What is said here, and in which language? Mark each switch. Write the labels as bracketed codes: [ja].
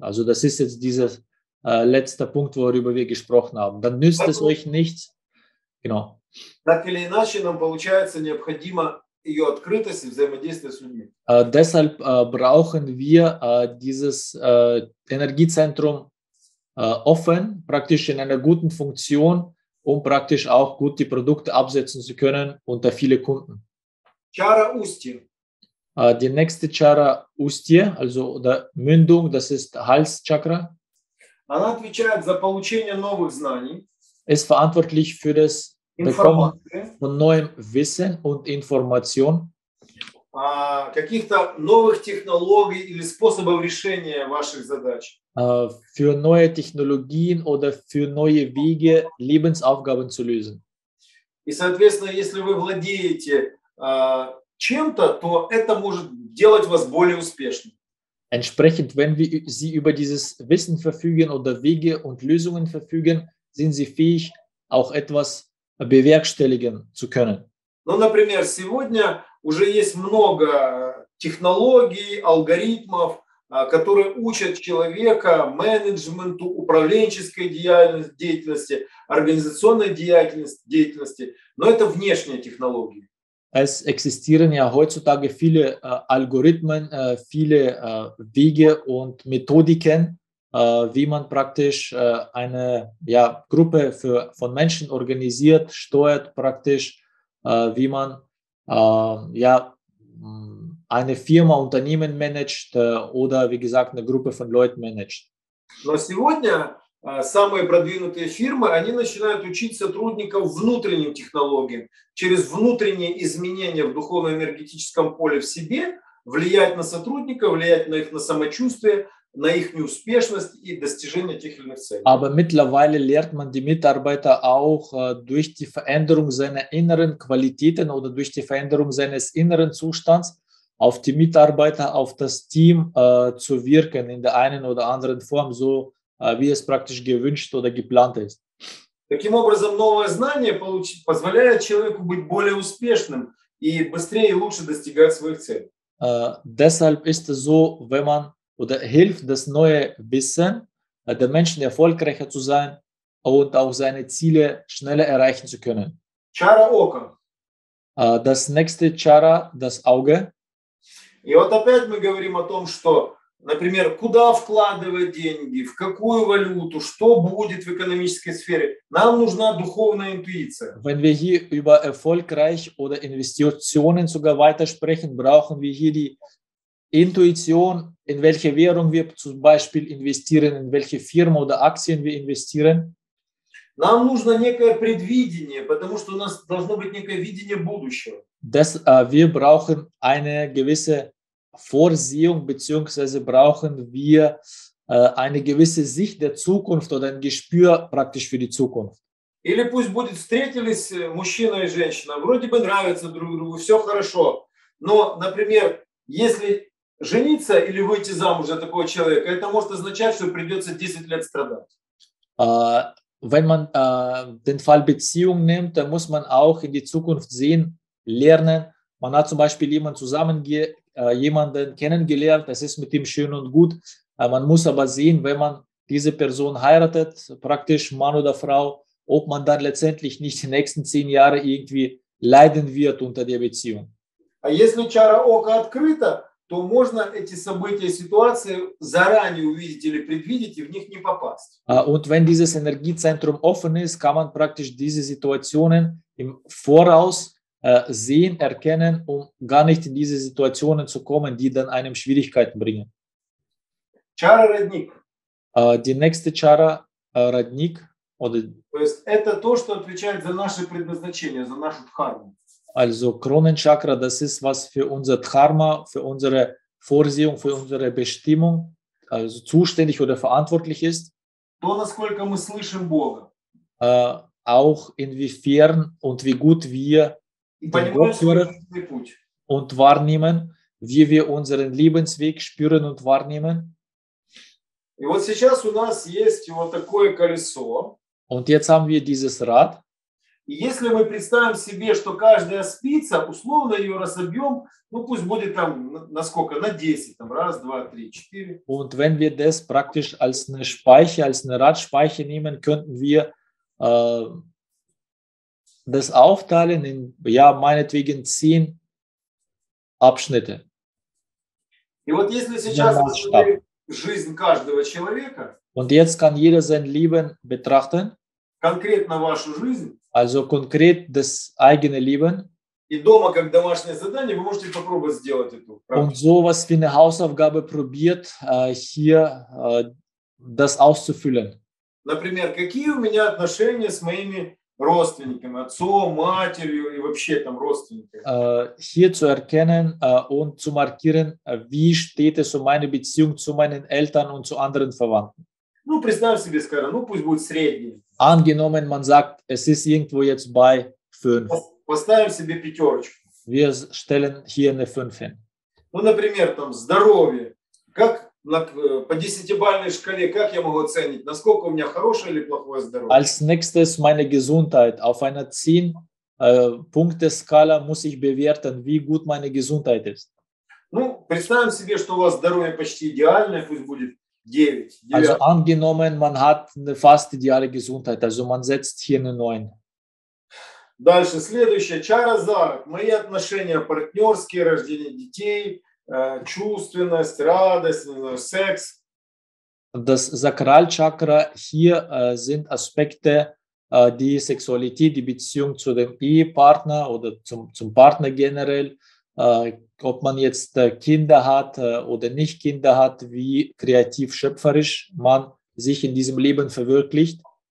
[de] Also das ist jetzt dieser letzte Punkt, worüber wir gesprochen haben. Dann nützt es euch nichts. Genau. [ru] Так или иначе, нам получается необходимо ее открытость и взаимодействие с людьми. [de] Deshalb brauchen wir dieses Energiezentrum offen, praktisch in einer guten Funktion, um praktisch auch gut die Produkte absetzen zu können unter viele Kunden. Chara Ustje. Die nächste Chara Ustje, also der Mündung, das ist Halschakra. [ru] Она отвечает за получение новых знаний. [de] Ist verantwortlich für das Bekommen von neuem Wissen und Information. [ru] Каких-то новых технологий или способов решения ваших задач. [de] Für neue Technologien oder für neue Wege, Lebensaufgaben zu lösen. [ru] И, соответственно, если вы владеете чем-то, то это может делать вас более успешным. [de] Entsprechend, wenn wir Sie über dieses Wissen verfügen oder Wege und Lösungen verfügen, sind Sie fähig, auch etwas bewerkstelligen zu können. [ru] Ну, например, сегодня уже есть много технологий, алгоритмов, которые учат человека менеджменту, управленческой деятельности, организационной деятельности, но это внешние технологии. [de] Es existieren ja heutzutage viele Algorithmen, viele Wege und Methodiken, wie man praktisch eine Gruppe für, von Menschen organisiert, steuert praktisch, wie man eine Firma, Unternehmen managt oder wie gesagt eine Gruppe von Leuten managt. [ru] Но сегодня самые продвинутые фирмы, они начинают учить сотрудников внутренним технологиям, через внутренние изменения в духовно-энергетическом поле в себе, влиять на сотрудников, влиять на их на самочувствие, на их неуспешность и достижение тех или иных целей. [de] Aber mittlerweile lehrt man die Mitarbeiter auch durch die Veränderung seiner inneren Qualitäten oder durch die Veränderung seines inneren Zustands auf die Mitarbeiter, auf das Team zu wirken in der einen oder anderen Form, so wie es praktisch gewünscht oder geplant ist. [ru] Таким образом, новое знание позволяет человеку быть более успешным и быстрее и лучше достигать своих целей. [de] Deshalb ist es so, wenn man oder hilft das neue Wissen, den Menschen erfolgreicher zu sein und auch seine Ziele schneller erreichen zu können. Chara Oka. Das nächste Chara, das Auge. [ru] И вот опять мы говорим о том, что, например, куда вкладывать деньги, в какую валюту, что будет в экономической сфере. Нам нужна духовная интуиция. [de] Wenn wir hier über erfolgreich oder Investitionen sogar weiter sprechen, brauchen wir hier die Intuition, in welche Währung wir zum Beispiel investieren, in welche Firma oder Aktien wir investieren. [ru] Нам нужно некое предвидение, потому что у нас должно быть некое видение будущего. [de] Wir brauchen eine gewisse Vorsehung, beziehungsweise brauchen wir eine gewisse Sicht der Zukunft oder ein Gespür praktisch für die Zukunft. [ru] Или пусть будет, встретились мужчина и женщина, вроде бы нравятся друг другу, все хорошо. Но, например, если жениться или выйти замуж за такого человека, это может означать, что придется 10 лет страдать. [de] Wenn man den Fall Beziehung nimmt, dann muss man auch in die Zukunft sehen, lernen. Man hat zum Beispiel jemanden kennengelernt, das ist mit ihm schön und gut. Man muss aber sehen, wenn man diese Person heiratet, praktisch Mann oder Frau, ob man dann letztendlich nicht die nächsten 10 Jahre irgendwie leiden wird unter der Beziehung. [ru] А если чара ока открыта, то можно эти события, ситуации заранее увидеть или предвидеть и в них не попасть. [de] Und wenn dieses Energiezentrum offen ist, kann man praktisch diese Situationen im Voraus sehen, erkennen, um gar nicht in diese Situationen zu kommen, die dann einem Schwierigkeiten bringen. Chara Radnik. Die nächste Chara, Radnik. [ru] То есть это то, что отвечает за наше предназначение, за нашу дхарму. [de] Also Kronenchakra, das ist was für unser Dharma, für unsere Vorsehung, für unsere Bestimmung, also zuständig oder verantwortlich ist. [ru] То, насколько мы слышим Бога. [de] Auch inwiefern und wie gut wir den Gott hören und wahrnehmen, wie wir unseren Lebensweg spüren und wahrnehmen. [ru] И вот сейчас у нас есть вот такое колесо. [de] Und jetzt haben wir dieses Rad. [ru] И если мы представим себе, что каждая спица, условно ее разобьем, ну пусть будет там на сколько, на 10, там раз, два, три, четыре. [de] Und wenn wir das praktisch als eine Speiche, als eine Radspeiche nehmen, könnten wir das aufteilen in, ja, meinetwegen 10 Abschnitte. [ru] И вот если сейчас посмотреть жизнь каждого человека, [de] und jetzt kann jeder sein Leben betrachten, [ru] конкретно вашу жизнь, [de] also konkret das eigene Leben. [ru] И дома, как домашнее задание, вы можете попробовать сделать эту практику. [de] Und sowas wie eine Hausaufgabe probiert, hier das auszufüllen. [ru] Например, какие у меня отношения с моими родственниками, отцом, матерью и вообще там родственниками? [de] Hier zu erkennen und zu markieren, wie steht es um meine Beziehung zu meinen Eltern und zu anderen Verwandten. [ru] Ну, представь себе, скажем, ну пусть будет средний. [de] Angenommen, man sagt, es ist irgendwo jetzt bei 5. [ru] Поставим себе пятерочку. [de] Wir stellen hier eine 5 hin. [ru] Ну, например, там, здоровье. Как по 10-бальной шкале, как я могу оценить, насколько у меня хорошее или плохое здоровье? [de] Als nächstes meine Gesundheit. Auf einer 10-Punkte-Skala muss ich bewerten, wie gut meine Gesundheit ist. [ru] Ну, представим себе, что у вас здоровье почти идеальное, пусть будет 9. [de] Also angenommen, man hat eine fast ideale Gesundheit, also man setzt hier eine 9. [ru] Дальше, следующее, Чаразара, мои отношения партнерские, рождение детей, чувственность, радость, секс. [de] Das Sakralchakra, hier sind Aspekte, die Sexualität, die Beziehung zu dem Ehepartner oder zum Partner generell. Ob man jetzt Kinder hat oder nicht Kinder hat, wie kreativ, schöpferisch man sich in diesem Leben verwirklicht.